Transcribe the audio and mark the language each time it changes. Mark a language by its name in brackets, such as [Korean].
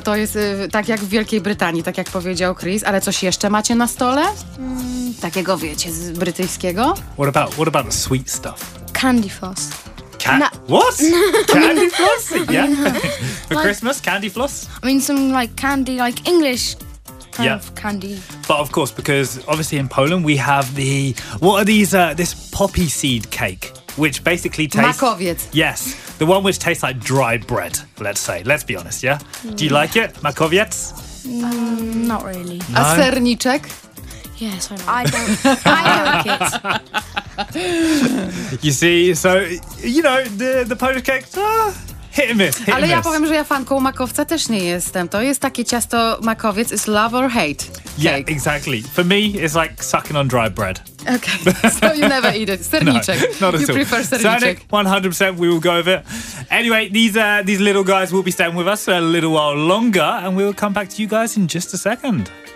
[Polish] To jest tak jak w Wielkiej Brytanii, tak jak powiedział Chris. Ale coś jeszcze macie na stole? Takiego, wiecie, z brytyjskiego? [English] What about the sweet stuff? Candy floss. What? Candy floss? Yeah. For like, Christmas, candy floss? I mean some like candy, like English kind of candy. But of course, because obviously in Poland we have the... What are these? This poppy seed cake, which basically tastes... Makowiec. Yes. The one which tastes like dry bread, let's say. Let's be honest, yeah? Do you like it? Makowiec? Not really. [Polish] No? A serniczek? [English] Yes, I don't like it. You see, so, you know, the Polish cakes, hit and miss. Hit [Polish] ale [English] and [Polish] ja [English] miss. [Polish] Powiem, że ja fanką makowca też nie jestem. To jest takie ciasto makowiec, [English] it's love or hate. Yeah, exactly. For me, it's like sucking on dry bread. Okay, so you never eat it. Serniczek. No, not at you all. You prefer serniczek. Serniczek, 100% we will go with it. Anyway, these little guys will be staying with us for a little while longer, and we will come back to you guys in just a second.